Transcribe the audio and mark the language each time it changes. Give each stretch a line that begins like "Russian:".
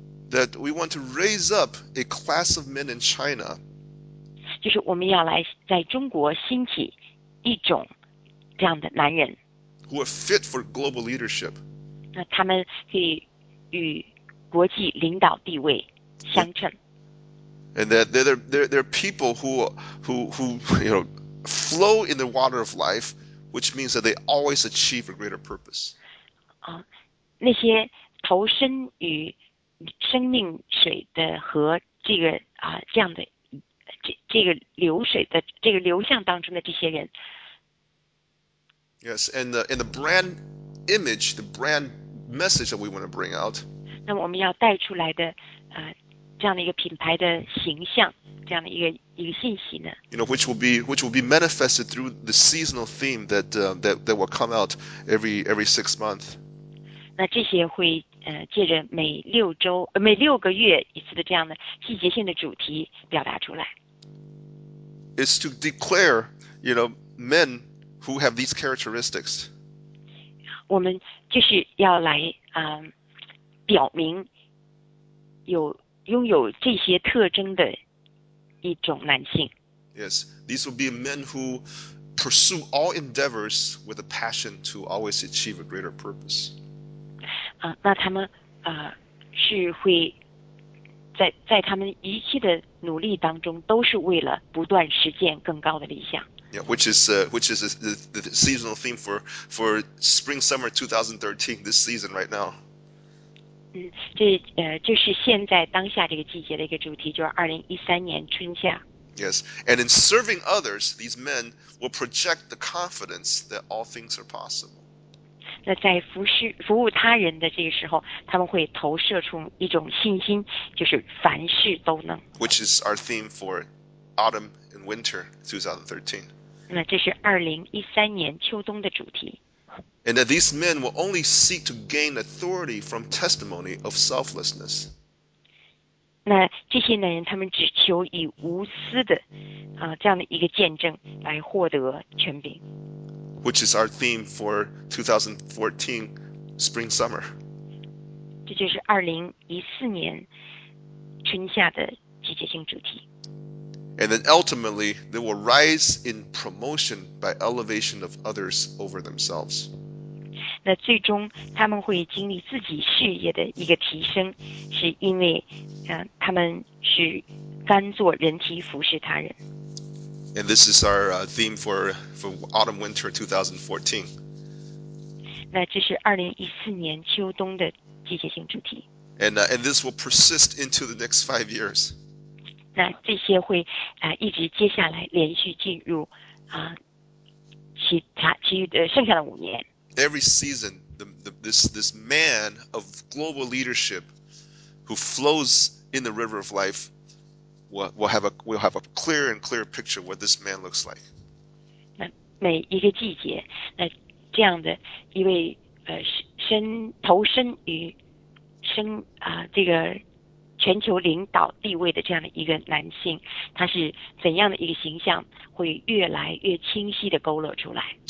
English: that we want to raise up a class of men in China,
Chinese: 就是我们要来在中国兴起一种这样的男人
English: who are fit for global leadership.
Chinese: 那他们可以与国际领导地位相称。
English: And that they're people who you know flow in the water of life, which means that they always achieve a greater purpose.
Chinese: 那些投身于生命水的河这个这样的这个流水的这个流向当中的这些人。
English: Yes, and the brand image, the brand message that we want to bring out.
Chinese: 那我们要带出来的这样的一个品牌的形象，这样的一个信息呢？
English: You know, which will be manifested through the seasonal theme that will come out every 6 months.
Chinese: 那这些会借着每六个月一次的这样的季节性的主题表达出来。
English: It's to declare, you know, men. Who have these characteristics?
Chinese: 我们就是要来表明有拥有这些特征的一种男性。
English: Yes, these will be men who pursue all endeavors with a passion to always achieve a greater purpose.
Chinese: 那他们是会在他们一切的努力当中，都是为了不断实践更高的理想。
English: Yeah, which is the seasonal theme for spring summer 2013, this season right now.
Chinese: 就是现在当下这个季节的一个主题，就是2013年春夏。
English: Yes, and in serving others, these men will project the confidence that all things are possible.
Chinese: 那在服务他人的这个时候，他们会投射出一种信心，就是凡事都能。
English: Which is our theme for autumn and winter 2013.
Chinese: 那这是2013年秋冬的主题。
English: And that these men will only seek to gain authority from testimony of selflessness.
Chinese: 那这些男人，他们只求以无私的这样的一个见证来获得权柄。
English: Which is our theme for 2014 spring summer.
Chinese: 这就是2014年春夏的季节性主题。
English: And then ultimately, they will rise in promotion by elevation of others over themselves.
Chinese: 那最终他们会经历自己事业的一个提升，是因为他们是甘做人梯服侍他人。
English: And this is our theme for autumn winter 2014.
Chinese: 那这是2014年秋冬的季节性主题。
English: And this will persist into the next 5 years.
Chinese: 那这些会一直接下来连续进入其余的剩下的五年。
English: Every season, this man of global leadership who flows in the river of life will have a clear and clear picture of what this man looks like.
Chinese: 那每一个季节，那这样的一位投身于这个。全球领导地位的这样的一个男性，他是怎样的一个形象，会越来越清晰的勾勒出来。